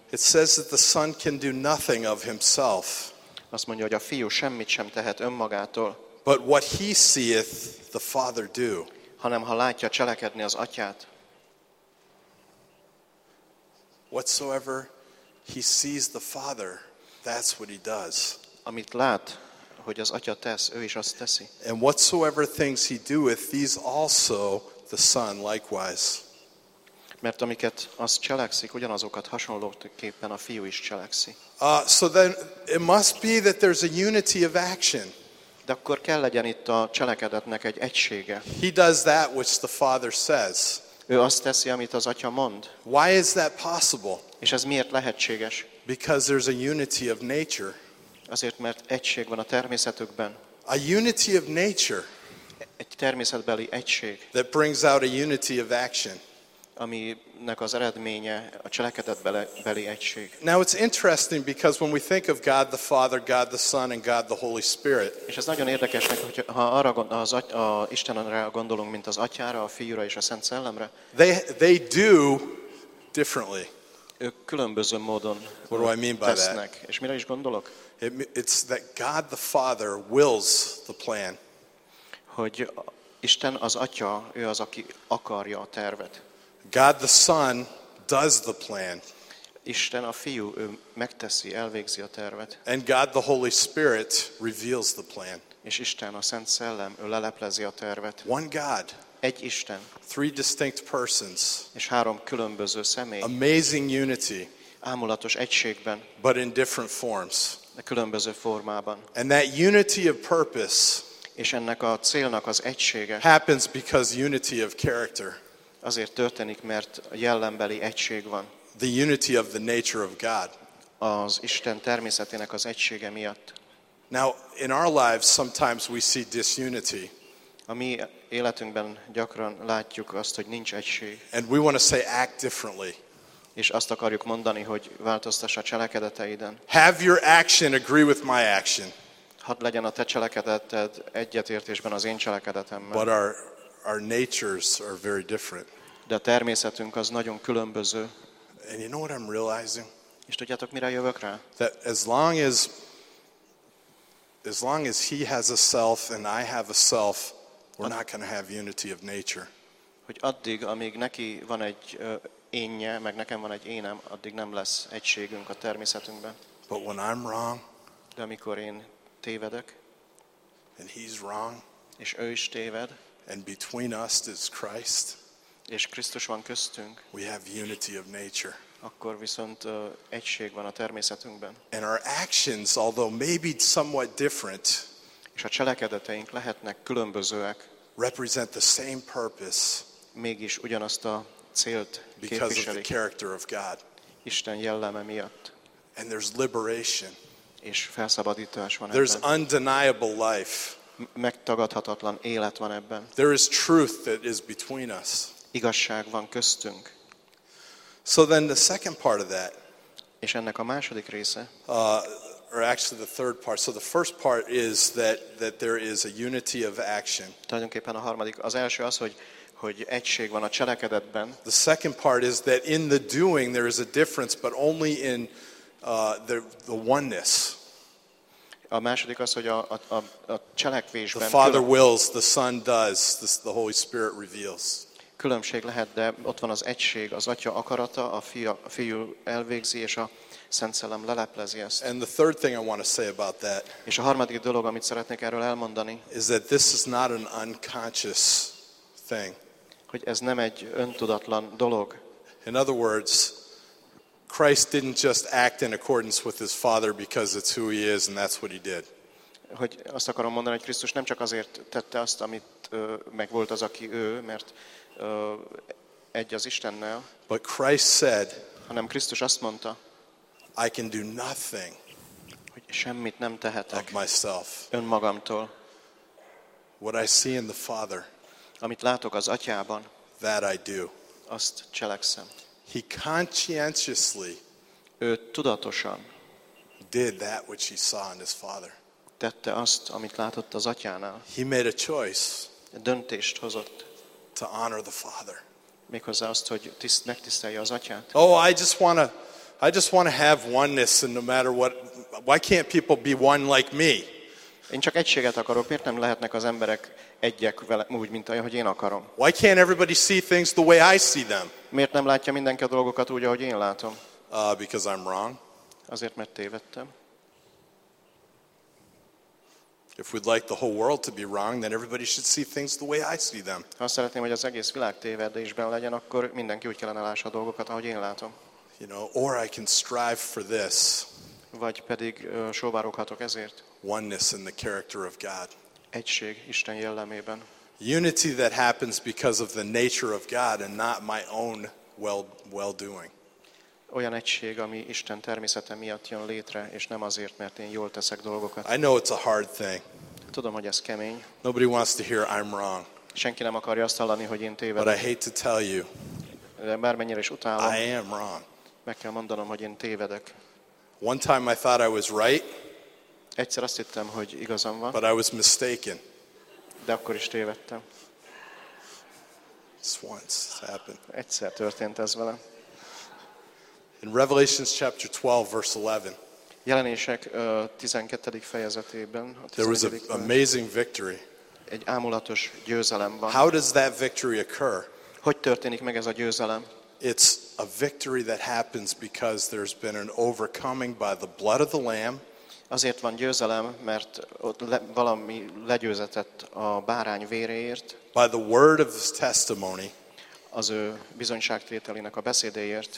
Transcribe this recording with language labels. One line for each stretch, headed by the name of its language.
English: It says that the Son can do nothing of himself.
Hungarian: Azt mondja, hogy a fiú semmit sem tehet önmagától.
English: But what he seeth the Father do.
Hungarian: Hanem ha látja cselekedni az atyát.
English: Whatsoever he sees the Father, that's what he does.
Hungarian: Amit lát, hogy az atya tesz, ő is azt teszi.
English: And whatsoever things he doeth, these also the Son likewise.
Hungarian: Mert amiket az cselekszik, ugyanazokat hasonlóképpen a fiú is cselekszi.
English: So then it must be that there's a unity of action.
Hungarian: De akkor kell legyen itt a cselekedetnek egy egysége.
English: He does that which the Father says.
Hungarian: Ő azt teszi, amit az atya mond.
English: Why is that possible?
Hungarian: És ez miért lehetséges?
English: Because there's a unity of nature.
Hungarian: Azért, mert egység van a természetükben.
English: A unity of nature.
Hungarian: Egy természetbeli egység.
English: That brings out a unity of action.
Hungarian: Aminek az eredménye a cselekedetbeli egység.
English: Now it's interesting because when we think of God the Father, God the Son, and God the Holy Spirit.
Hungarian: És ez nagyon érdekes, hogy ha arra a Istenre gondolunk, mint az Atyára, a Fiúra és a Szent Szellemre.
English: They do differently.
Hungarian: Ők különböző módon.
English: What do I mean by that?
Hungarian: És mire is gondolok?
English: It's that God the Father wills the plan.
Hungarian: Hogy Isten az Atya, ő az, aki akarja a tervet.
English: God the Son does the plan.
Hungarian: Isten a fiú, ő megteszi, elvégzi a tervet.
English: And God the Holy Spirit reveals the plan.
Hungarian: És Isten a Szent Szellem, ő leleplezi a tervet.
English: One God.
Hungarian: egy Isten.
English: Three distinct persons.
Hungarian: És három különböző személy.
English: Amazing unity.
Hungarian: Ámulatos egységben.
English: But in different forms.
Hungarian: De különböző formában.
English: And that unity of purpose.
Hungarian: És ennek a célnak az egysége.
English: Happens because unity of character.
Hungarian: Azért történik, mert jellembeli egység van.
English: The unity of the nature of God.
Hungarian: Az Isten természetének az egysége miatt.
English: Now, in our lives, sometimes we see disunity.
Hungarian: A mi életünkben gyakran látjuk azt, hogy nincs egység.
English: And we want to say, act differently.
Hungarian: És azt akarjuk mondani, hogy változtass a cselekedeteiden.
English: Have your action agree with my action.
Hungarian: Hadd legyen a te cselekedeted egyetértésben az én cselekedetemmel.
English: But our natures are very different.
Hungarian: De a természetünk az nagyon különböző.
English: And you know what I'm realizing?
Hungarian: És tudjátok, mire jövök rá?
English: That as long as he has a self and I have a self, we're not going to have unity of nature.
Hungarian: Hogy addig, amíg neki van egy énje, meg nekem van egy énem, addig nem lesz egységünk a természetünkben.
English: But when I'm wrong,
Hungarian: de amikor én tévedek,
English: and he's wrong,
Hungarian: és ő is téved,
English: and between us is Christ,
Hungarian: és Krisztus van köztünk,
English: we have unity of nature.
Hungarian: Akkor viszont egység van a természetünkben.
English: And our actions, although maybe somewhat different,
Hungarian: és a cselekedeteink lehetnek különbözőek,
English: represent the same purpose,
Hungarian: mégis ugyanazt a célt
English: because of the character of God.
Hungarian: Isten jelleme miatt.
English: And there's liberation.
Hungarian: És felszabadítás van.
English: There's
Hungarian: ebben.
English: Undeniable life.
Hungarian: Megtagadhatatlan élet van ebben.
English: There is truth that is between us.
Hungarian: Igazság van köztünk.
English: So then the second part of that,
Hungarian: és ennek a második része,
English: or actually the third part. So the first part is that there is a unity of action.
Hungarian: Tulajdonképpen a harmadik, az első az, hogy egység van a cselekedetben.
English: The second part is that in the doing there is a difference, but only in the oneness.
Hungarian: A második az, hogy a cselekvésben.
English: The Father wills, the Son does, the Holy Spirit reveals.
Hungarian: Különbség lehet, de ott van az egység, az Atya akarata, a fiú elvégzi, és a Szent Szellem leleplezi ezt.
English: And the third thing I want to say about that.
Hungarian: És a harmadik dolog, amit szeretnék erről elmondani.
English: Is that this is not an unconscious thing.
Hungarian: Hogy ez nem egy öntudatlan dolog.
English: In other words, Christ didn't just act in accordance with his Father because it's who he is and that's what he did.
Hungarian: Hogy azt akarom mondani, hogy Krisztus nem csak azért tette azt, amit meg volt az, aki ő, mert egy az Istennel.
English: But Christ said,
Hungarian: hanem Krisztus azt mondta,
English: I can do nothing.
Hungarian: Hogy semmit nem tehetek
English: myself.
Hungarian: Önmagamtól.
English: What I see in the Father.
Hungarian: Amit látok az Atyában.
English: That I do.
Hungarian: Azt cselekszem.
English: He conscientiously
Hungarian: tudatosan
English: did that which he saw in his Father.
Hungarian: Tette azt, amit látott az Atyánál.
English: He made a choice.
Hungarian: Döntést hozott.
English: To honor the Father.
Hungarian: Méghozzá azt, hogy megtisztelje az Atyát.
English: Oh, I just want to have oneness, and no matter what, why can't people be one like me?
Hungarian: Én csak egységet akarok, miért nem lehetnek az emberek egyek vele, úgy, mint ahogy én akarom?
English: Why can't everybody see things the way I see them?
Hungarian: Miért nem látja mindenki a dolgokat úgy, ahogy én látom?
English: Because I'm wrong.
Hungarian: Azért, mert tévedtem.
English: If we'd like the whole world to be wrong, then everybody should see things the way I see them.
Hungarian: Ha szeretném, hogy az egész világ tévedésben legyen, akkor mindenki úgy kellene lássa a dolgokat, ahogy én látom.
English: You know, or I can strive for this.
Hungarian: Vagy pedig sóvároghatok ezért.
English: Oneness in the character of God.
Hungarian: Egység Isten jellemében.
English: Unity that happens because of the nature of God and not my own well-doing.
Hungarian: Olyan egység, ami Isten természete miatt jön létre, és nem azért, mert én jól teszek dolgokat.
English: I know it's a hard thing.
Hungarian: Tudom, hogy ez kemény.
English: Nobody wants to hear I'm wrong.
Hungarian: Senki nem akarja azt hallani, hogy én tévedek.
English: But I hate to tell you.
Hungarian: De bármennyire is utálom.
English: I am wrong.
Hungarian: Meg kell mondanom, hogy én tévedek.
English: One time I thought I was right.
Hungarian: Egyszer azt hittem, hogy igazam van.
English: But I was mistaken.
Hungarian: De akkor is tévedtem.
English: Just once it happened.
Hungarian: Egyszer történt ez velem.
English: In Revelations chapter 12, verse 11.
Hungarian: Jelenések 12. fejezetében.
English: There was an amazing victory.
Hungarian: Egy ámulatos győzelem van.
English: How does that victory occur?
Hungarian: Hogy történik meg ez a győzelem?
English: It's a victory that happens because there's been an overcoming by the blood of the Lamb.
Hungarian: azért van győzelem, mert ott valami legyőzetett a bárány véréért.
English: By the word of his testimony.
Hungarian: Az ő bizonyságtételének a beszédéért.